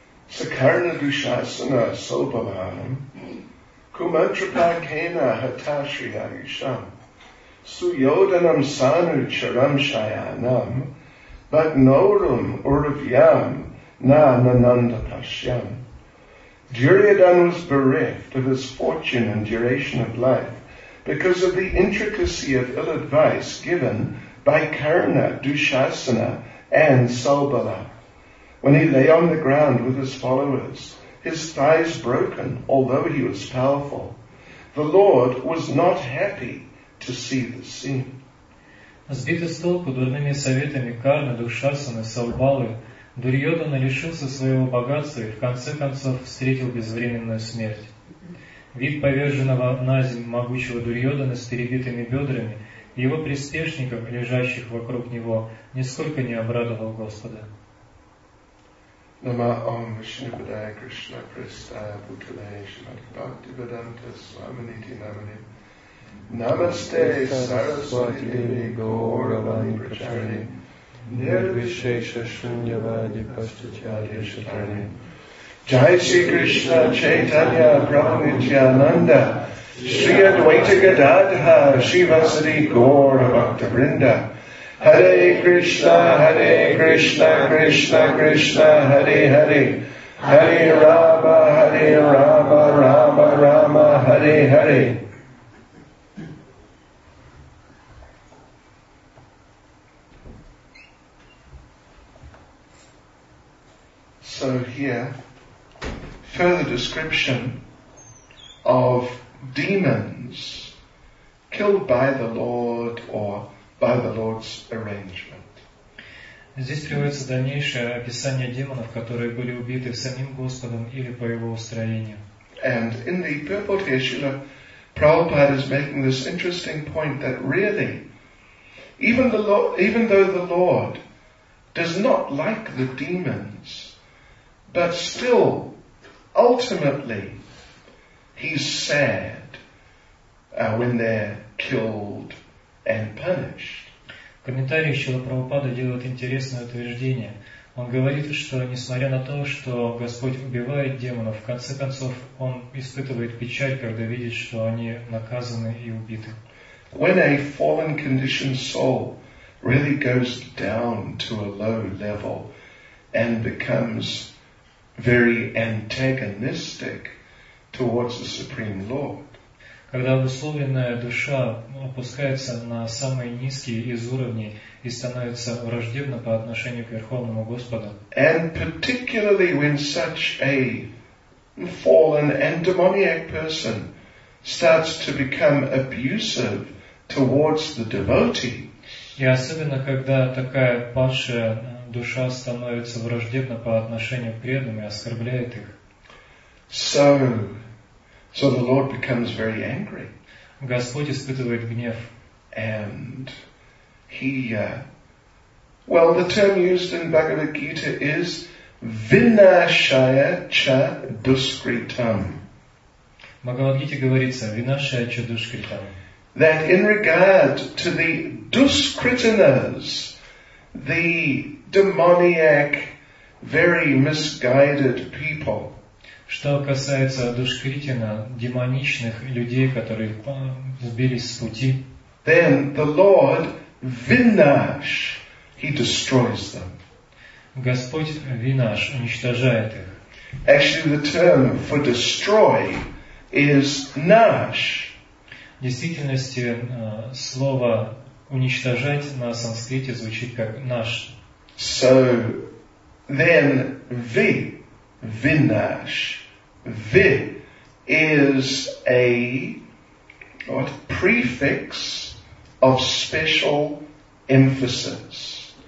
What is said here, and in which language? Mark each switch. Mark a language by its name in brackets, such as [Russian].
[Sanskrit] Сакарна душасана сопаваам куматрапакена хаташрия ишам суйоданам сану чарамшаянам But norum urvyam na nananda pasyam. [English] Duryodhana was bereft of his fortune and duration of life because of the intricacy of ill advice given by Karna, Dushasana, and Saubala. When he lay on the ground with his followers, his thighs broken, although he was powerful, the Lord was not happy to see the scene. [Russian] Сбитый с толку дурными советами Карны, Дукшасаны, Саубалы, Дурьодана лишился своего богатства и в конце концов встретил безвременную смерть. Вид поверженного наземь могучего Дурьодана с перебитыми бедрами и его приспешников, лежащих вокруг него, нисколько не обрадовал Господа. [Sanskrit] Нама Ом Вишну Падая Кришна Престая Бутилея Шимати Бхакти Ваданта Сваминити Намани Namaste Saraswati Devi Gauravani Pracharani Nirvishesha Shunyavadi Pashtachari Shatrani Jai Sri Krishna Chaitanya Prabhu Nityananda Sri Advaita Gadadha Srivasati Gauravakta Vrinda Hare Krishna Hare Krishna Krishna Krishna Hare Hare Hare Rama Hare Rama Rama Rama Hare Hare [English] So here, further description of demons killed by the Lord or by the Lord's arrangement. [Russian] Здесь приводится дальнейшее описание демонов, которые были убиты самим Господом или по его устроению. [English] And in the purport here, Srila Prabhupada is making this interesting point that really, even though the Lord does not like the demons, But still, ultimately, he's sad when they're killed and punished. [Russian] Комментарий Шрилы Прабхупады делает интересное утверждение. Он говорит, что несмотря на то, что Господь убивает демонов, в конце концов, он испытывает печаль, когда видит, что они наказаны и убиты. [English] When a fallen conditioned soul really goes down to a low level and becomes very antagonistic towards the Supreme Lord. [Russian] Когда обусловленная душа опускается на самые низкие из уровней и становится враждебна по отношению к Верховному Господу. [English] And particularly when such a fallen and demoniac person starts to become abusive towards the devotee. [Russian] И особенно, когда такая падшая душа становится враждебна по отношению к преданным и оскорбляет их. [English] So the Lord becomes very angry. [Russian] Господь испытывает гнев. [English] And the term used in Bhagavad Gita is [Sanskrit] vinashaya cha duskritam. [Russian] Bhagavad Gita говорится [Sanskrit] vinashaya cha duskritam. [English] That in regard to the duskritanas, the demoniac, very misguided people. [Russian] Что касается Душкритина, демоничных людей, которые сбились с пути, [English] then the Lord Vinash, he destroys them. [Russian] Господь Винаш уничтожает их. [English] Actually, the term for destroy is Nash. [Russian] В действительности, слово уничтожать на санскрите звучит как наш. [English] So then Vinash. Vi is a prefix of special emphasis.